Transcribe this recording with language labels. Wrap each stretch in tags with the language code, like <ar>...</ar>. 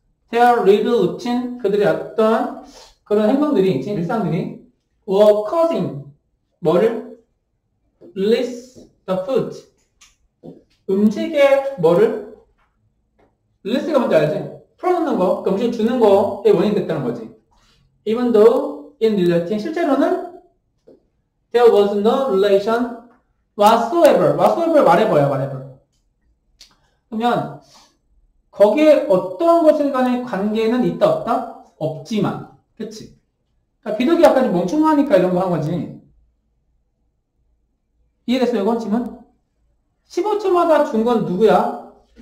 <en>Their little routine,</en> <ko>그들의 어떤 그런 행동들이, 일상들이</ko> <en>were causing</en> <ko>뭐를?</ko> <en>Release the food</en> <ko>음식에 뭐를? Release가 뭔지 알지? 풀어놓는 거, 그러니까 음식을 주는 거에 원인이 됐다는 거지.</ko> <en>Even though in reality,</en> <ko>실제로는</ko> <en>There was no relation whatsoever.</en> <ko>whatsoever 말해봐요, 말해봐요. 그러면 거기에 어떤 것인 간의 관계는 있다 없다? 없지만, 그치? 그러니까 비둘기 약간 멍청하니까 이런 거 한 거지. 이해됐어요 이건 지금? 15초마다 준 건 누구야?</ko>